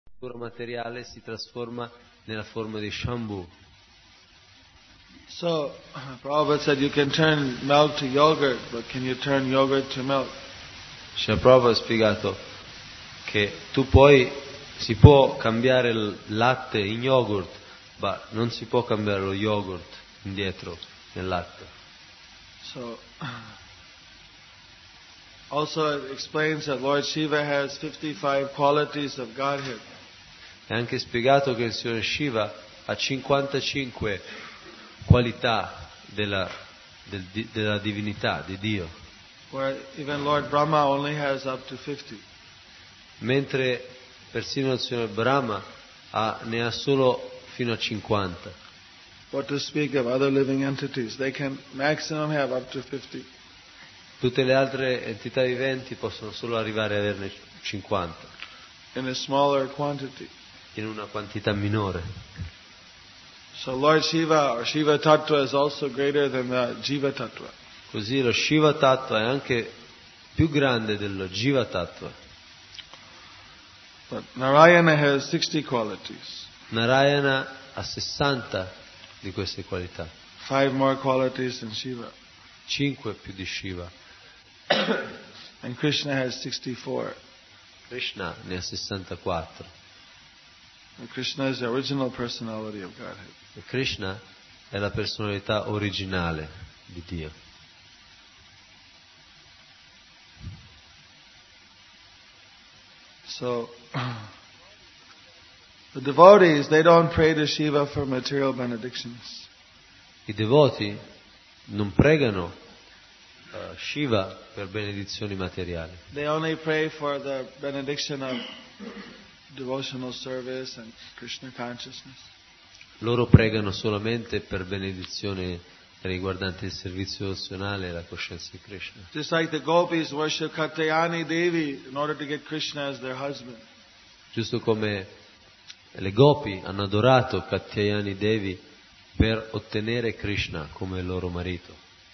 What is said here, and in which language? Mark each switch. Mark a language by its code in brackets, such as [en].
[it] natura materiale si trasforma nella forma di Shambhu. [en] So, Prabhupada said you can turn milk to yogurt, but can you turn yogurt to milk? [it] Shri Prabhupada ha spiegato che tu puoi, si può cambiare il latte in yogurt, ma non si può cambiare lo yogurt indietro nel latte. [en] So, also it explains that Lord Shiva has 55 qualities of Godhead. [it] È anche spiegato che il Signore Shiva ha 55 qualità della, della divinità, di Dio. [en] Where even Lord Brahma only has up to 50. [it] Mentre persino il Signore Brahma ha, ne ha solo fino a 50. [en] What to speak of other living entities? They can maximum have up to 50. [it] Tutte le altre entità viventi possono solo arrivare a averne 50. [en] In a smaller quantity. [it] In una quantità minore. [en] So Lord Shiva or Shiva Tattva is also greater than the Jiva Tattva. [it] Così lo Shiva Tattva è anche più grande dello Jiva Tattva. [en] But Narayana has 60 qualities. [it] Narayana ha 60 di queste qualità. [en] 5 more qualities than Shiva. [it] 5 più di Shiva. [en] And Krishna has 64. [it] Krishna ne ha 64. [en] And Krishna is the original personality of Godhead. [it] E Krishna è la personalità originale di Dio. [en] So the devotees, they don't pray to Shiva for material benedictions. [it] I devoti non pregano Shiva per benedizioni materiali. [en] They only pray for the benediction of devotional service and Krishna consciousness. [it] Loro pregano solamente per benedizione riguardante il servizio devozionale e la coscienza di Krishna. [en] Just like the gopis worship Katayani Devi in order to get Krishna as their husband. [it] Giusto come le gopi hanno adorato Katayani Devi per ottenere Krishna come loro marito.